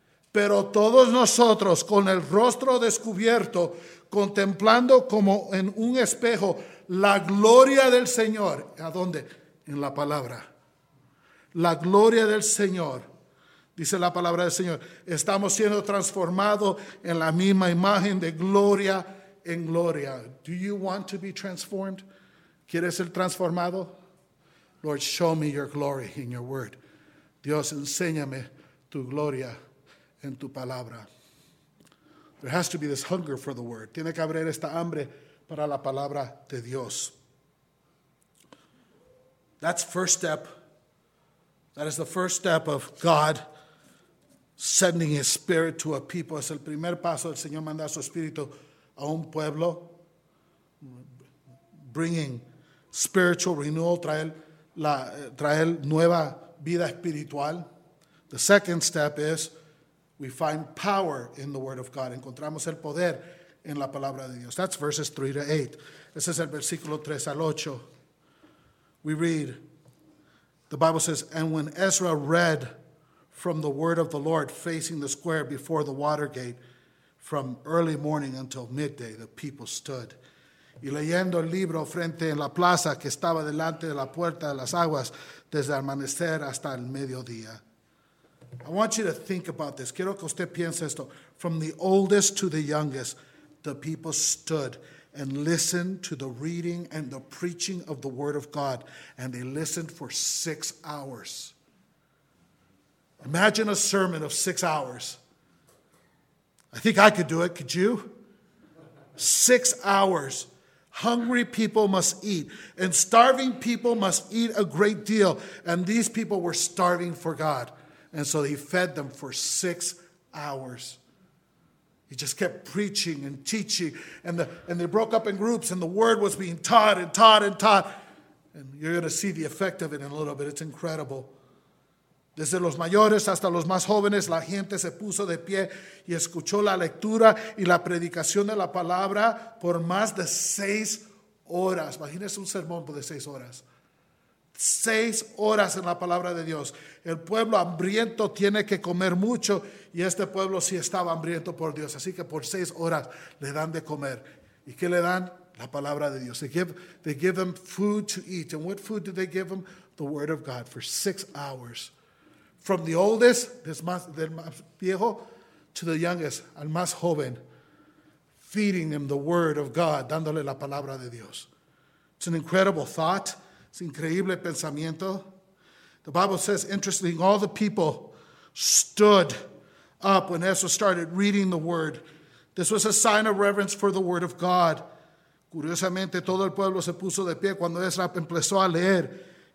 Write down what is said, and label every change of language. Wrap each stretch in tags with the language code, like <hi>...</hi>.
<es>Pero todos nosotros, con el rostro descubierto, contemplando como en un espejo la gloria del Señor. ¿A dónde? En la palabra. La gloria del Señor, dice la palabra del Señor. Estamos siendo transformados en la misma imagen de gloria en gloria.</es> <en>Do you want to be transformed?</en> <es>¿Quieres ser transformado?</es> <en>Lord, show me your glory in your word.</en> <es>Dios, enséñame tu gloria. En tu palabra.</es> <en>There has to be this hunger for the word.</en> <es>Tiene que haber esta hambre para la palabra de Dios.</es> <en>That's first step. That is the first step of God sending his spirit to a people.</en> <es>Es el primer paso del Señor mandar su espíritu a un pueblo.</es> <en>Bringing spiritual renewal,</en> <es>traer nueva vida espiritual.</es> <en>The second step is we find power in the word of God.</en> <es>Encontramos el poder en la palabra de Dios.</es> <en>That's verses 3 to 8.</en> <es>Ese es el versículo 3 al 8.</es> <en>We read, the Bible says, and when Ezra read from the word of the Lord facing the square before the water gate from early morning until midday, the people stood.</en> <es>Y leyendo el libro frente en la plaza que estaba delante de la puerta de las aguas desde amanecer hasta el mediodía.</es> <en>I want you to think about this.</en> <es>Quiero que usted piense esto.</es> <en>From the oldest to the youngest, the people stood and listened to the reading and the preaching of the word of God. And they listened for 6 hours. Imagine a sermon of 6 hours. I think I could do it. Could you? 6 hours. Hungry people must eat. And starving people must eat a great deal. And these people were starving for God. And so he fed them for 6 hours. He just kept preaching and teaching. And they broke up in groups. And the word was being taught and taught and taught. And you're going to see the effect of it in a little bit. It's incredible.</en> <es>Desde los mayores hasta los más jóvenes, la gente se puso de pie y escuchó la lectura y la predicación de la palabra por más de 6 horas. Imagínese un sermón por de 6 horas. 6 horas en la palabra de Dios. El pueblo hambriento tiene que comer mucho, y este pueblo sí estaba hambriento por Dios. Así que por 6 horas le dan de comer. ¿Y qué le dan? La palabra de Dios.</es> <en>They give them food to eat. And what food do they give them? The word of God for 6 hours. From the oldest,</en> <es>del más viejo,</es> <en>to the youngest,</en> <es>al más joven.</es> <en>Feeding them the word of God,</en> <es>dándole la palabra de Dios.</es> <en>It's an incredible thought.</en> <es>Es increíble pensamiento.</es> <en>The Bible says, interestingly, all the people stood up when Ezra started reading the word. This was a sign of reverence for the word of God.</en> <es>Curiosamente, todo el pueblo se puso de pie cuando Ezra empezó a leer.</es>